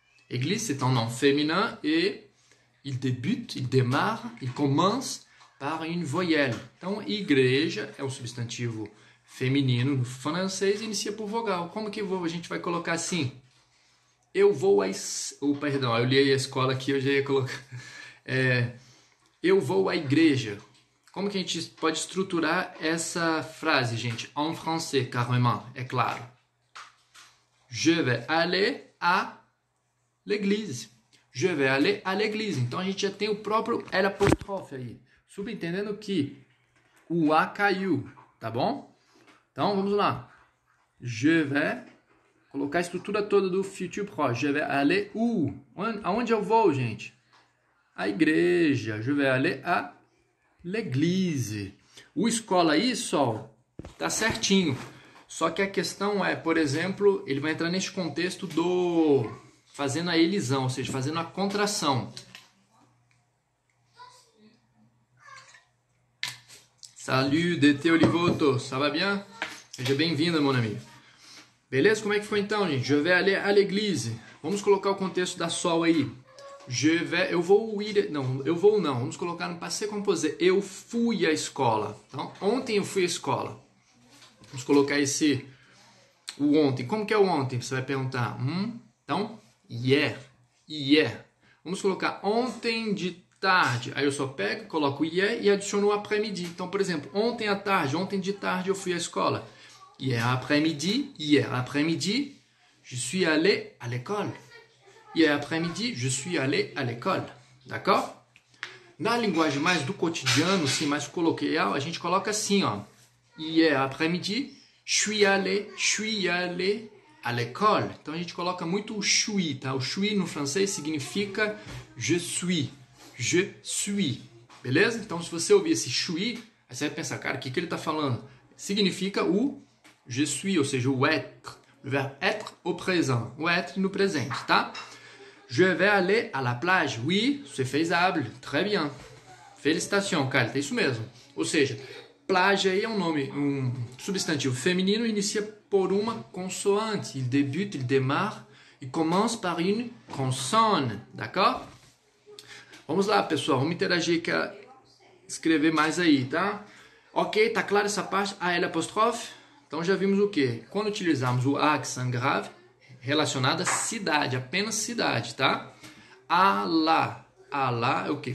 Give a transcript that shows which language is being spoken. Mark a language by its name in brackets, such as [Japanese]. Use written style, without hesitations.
[French] Église, c'est un nom féminin et il débute, il démarre, il commence par une voyelle. [Portuguese] Então, igreja é um substantivo feminino no francês e inicia por vogal. Como que a gente vai colocar assim? Eu vou a. Perdão, eu li a escola aqui, eu já ia colocar. Eu vou à igreja. Como que a gente pode estruturar essa frase, gente? [French] En français, carrément, [Portuguese] é claro. [French] Je vais aller à l'église. Je vais aller à l'église. [Portuguese] Então a gente já tem o próprio L apostrofe aí. Subentendendo que o A caiu, tá bom? Então vamos lá. Je vais colocar a estrutura toda do futur proche. [French] Je vais aller où? [Portuguese] Aonde eu vou, gente? A igreja, [French] je vais aller à l'église. [Portuguese] O escola aí, sol, tá certinho. Só que a questão é, por exemplo, ele vai entrar neste contexto do fazendo a elisão, ou seja, fazendo a contração. [French] Salut, DT Olivoto, ça va bien? [Portuguese] Seja bem-vindo, [French] mon ami. [Portuguese] Beleza? Como é que foi então, gente? [French] Je vais aller à l'église. [Portuguese] Vamos colocar o contexto da sol aí. [French] Je vais, [Portuguese] eu vou ir. Não, eu vou não. Vamos colocar no passé composé. Eu fui à escola. Então, ontem eu fui à escola. Vamos colocar esse. O ontem. Como que é o ontem? Você vai perguntar. Então, yeah. Yeah. Vamos colocar ontem de tarde. Aí eu só pego, coloco yeah e adiciono o après-midi. Então, por exemplo, ontem à tarde. Ontem de tarde eu fui à escola. [French] Hier après-midi, je suis allé à l'école. E après-midi, je suis allé à l'école. D'accord? [Portuguese] Na linguagem mais do cotidiano, sim, mais coloquial, a gente coloca assim, ó. [French] Hier après-midi, je suis allé à l'école. [Portuguese] Então a gente coloca muito o suis, tá? O suis no francês significa je suis. [French] Je suis. [Portuguese] Beleza? Então se você ouvir esse suis, aí você vai pensar, cara, o que que ele tá falando? Significa o je suis, ou seja, o être. O verbo être au présent. O être no presente, tá? [French] Je vais aller à la plage. Oui, c'est faisable. Très bien. Félicitations, cara. [Portuguese] É isso mesmo. Ou seja, plage aí é um nome, um substantivo feminino, inicia por uma consoante. [French] Il débute, il démarre, il commence par une consonne. [Portuguese] D'accord? Vamos lá, pessoal. Vamos interagir aqui, escrever mais aí, tá? Ok, tá claro essa parte? A L apostrofe? Então já vimos o quê? Quando utilizamos o accent grave, relacionada à cidade, apenas cidade, tá? Alá. Alá é o quê?